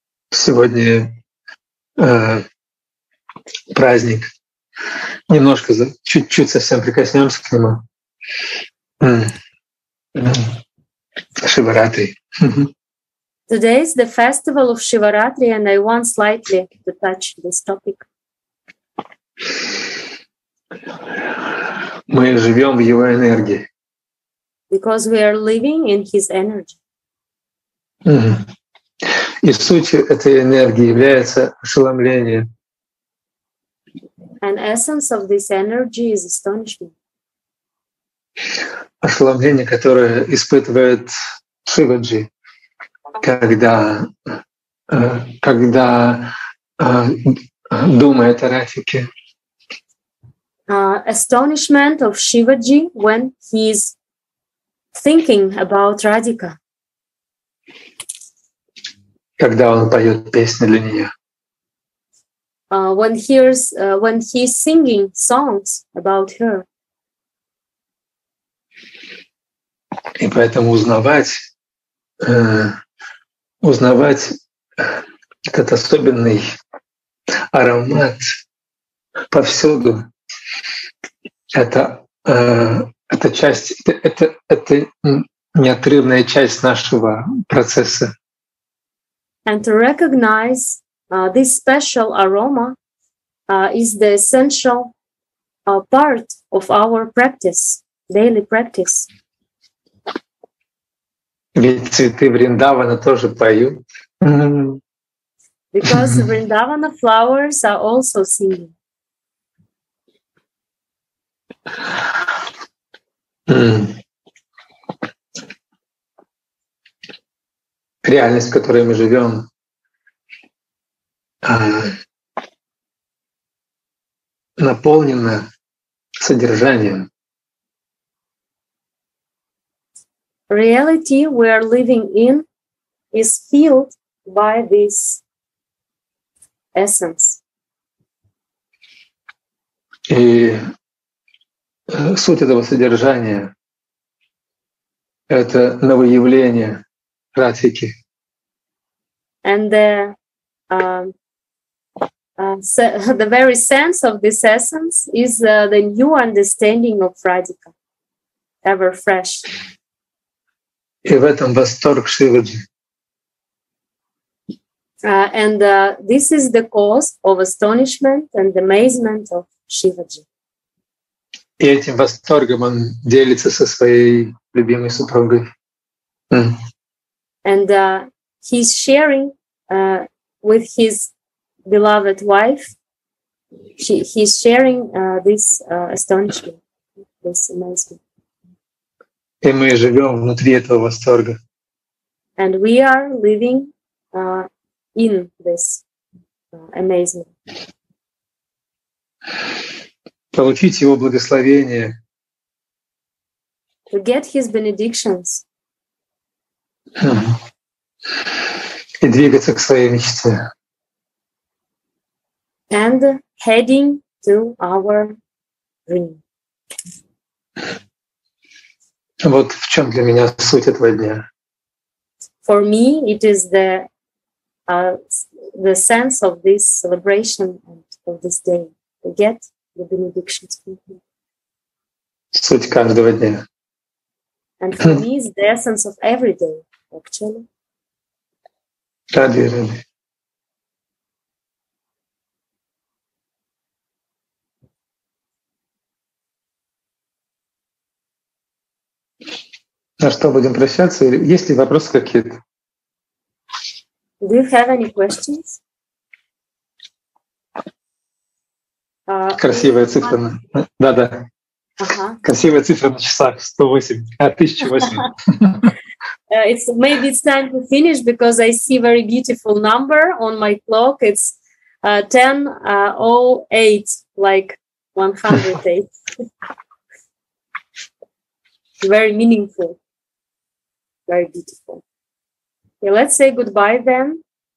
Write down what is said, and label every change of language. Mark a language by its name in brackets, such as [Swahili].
[Russian] Сегодня праздник. Немножко, чуть-чуть совсем прикоснемся к нему. Шиваратри. [English] Today is the festival of Shivaratri, and I want slightly to touch this topic. [Russian] Мы живем в его энергии. [English] Because we are living in his energy. [Russian] И сутью этой энергии является ошеломление. [English] An essence of this energy is astonishment. [Russian] Ошеломление, которое испытывает Шиваджи, когда думает о Радхике. [English] Astonishment of Shivaji when he is thinking about Radhika. [Russian] Когда он поет песни для нее. [English] When he's singing songs about her. [Russian] И поэтому узнавать этот особенный аромат повсюду. Это часть, это неотрывная часть нашего процесса. [English] And to recognize this special aroma is the essential part of our practice, daily practice. [Russian] Ведь цветы Вриндавана тоже поют. [English] Because Вриндавана flowers are also singing. [Russian] Реальность, в которой мы живем, наполнена содержанием. [English] Reality we are living in is filled by this essence. [Russian] И суть этого содержания — это новоявление Радхики. [English] And the very sense of this essence is the new understanding of Radhika, ever fresh. [Russian] И в этом восторг Шиваджи. [English] This is the cause of astonishment and amazement of Shivaji. [Russian] И этим восторгом он делится со своей любимой супругой. [English] And he's sharing with his beloved wife. He's sharing this astonishment, this amazement. [Russian] И мы живем внутри этого восторга. [English] And we are living in this amazement. [Russian] Получить его благословение. [English] To get his benedictions. [Russian] И двигаться к своей мечте. [English] And heading to our dream. [Russian] Вот в чем для меня суть этого дня. [English] For me, it is the sense of this celebration and of this day. To get the benedictions from him. [Russian] Суть каждого дня. [English] And for me, it's the essence of every day, actually. [Russian] Ради, ради. На что будем прощаться? Есть ли вопросы какие-то? [English] Do you have any questions? [Russian] Красивая цифра. Да-да. Uh-huh. Красивая цифра на часах. 108. 1008. [English] It's, maybe it's time to finish because I see very beautiful number on my clock. It's 10:08, like 108. Very meaningful. Very beautiful. Okay, let's say goodbye then.